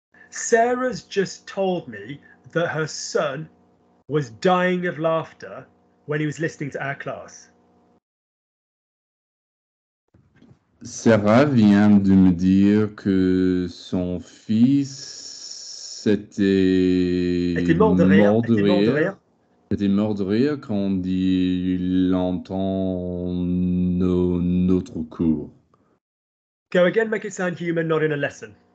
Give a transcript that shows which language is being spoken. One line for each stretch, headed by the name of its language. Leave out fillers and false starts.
English: Sarah's just told me that her son was dying of laughter when he was listening to our class.
French: Sarah vient de me dire que son fils était mort de rire quand il entend notre cours.
English: Go again, make it sound human, not in a lesson.